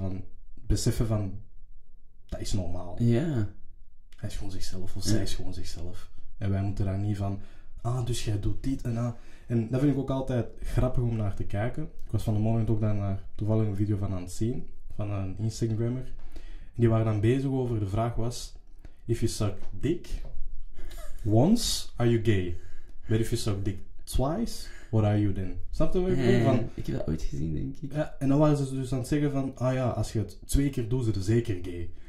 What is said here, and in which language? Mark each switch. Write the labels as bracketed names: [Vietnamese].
[Dutch] Van beseffen van... Dat is normaal. Ja. Hij is gewoon zichzelf. Of zij is gewoon zichzelf. En wij moeten daar niet van... Ah, dus jij doet dit en ah. En dat vind ik ook altijd grappig om naar te kijken. Ik was van de morgen ook daarnaar toevallig een video van aan het zien. Van een Instagrammer. En die waren dan bezig over, de vraag was... [English] If you suck dick once, are you gay? But if you suck dick twice, what are you then? [Dutch] Snap je wat ik bedoel? Ik heb dat ooit gezien, denk ik. Ja, en dan waren ze dus aan het zeggen van... Ah ja, als je het twee keer doet, ze er zeker gay.